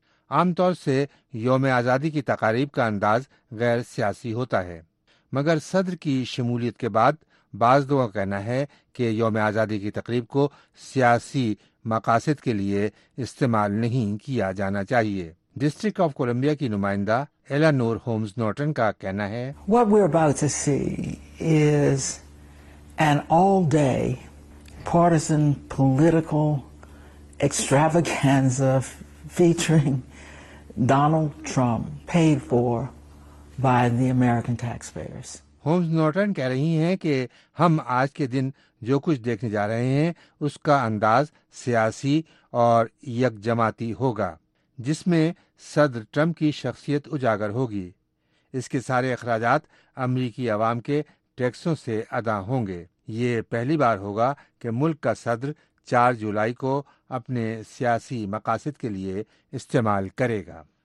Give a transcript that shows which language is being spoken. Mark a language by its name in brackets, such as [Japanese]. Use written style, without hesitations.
[Urdu] عام طور سے یوم آزادی کی تقاریب کا انداز غیر سیاسی ہوتا ہے، مگر صدر کی شمولیت کے بعد بعض لوگوں کا کہنا ہے کہ یوم آزادی کی تقریب کو سیاسی مقاصد کے لیے استعمال نہیں کیا جانا چاہیے۔ ڈسٹرکٹ آف کولمبیا کی نمائندہ ایلانور ہومز نورٹن کا کہنا ہے، [English] What we're about to see is an all-day partisan political extravaganza featuring Donald Trump paid for by the American taxpayers۔ [Urdu] Homes Norton کہہ رہی ہیں کہ ہم آج کے دن جو کچھ دیکھنے جا رہے ہیں اس کا انداز سیاسی اور یک جماعتی ہوگا، جس میں صدر ٹرمپ کی شخصیت اجاگر ہوگی۔ اس کے سارے اخراجات امریکی عوام کے ٹیکسوں سے ادا ہوں گے۔ یہ پہلی بار ہوگا کہ ملک کا صدر 4 جولائی کو اپنے سیاسی مقاصد کے لیے استعمال کرے گا۔